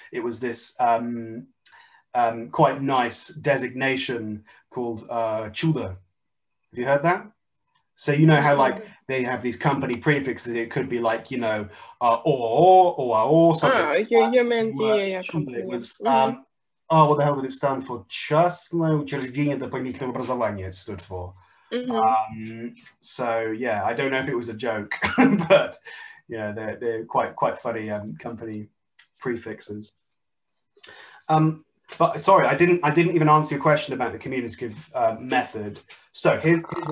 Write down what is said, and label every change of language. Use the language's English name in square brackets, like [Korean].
[English] It was this quite nice designation called Chuda. Have you heard that? So you know how like they have these company prefixes, it could be like, you know, or something. What the hell did it stand for? [Russian] Частное учреждение дополнительного образования, [English] it stood for. So yeah, I don't know if it was a joke, but yeah, they're quite funny company prefixes. But sorry, I didn't even answer your question about the communicative method. So here's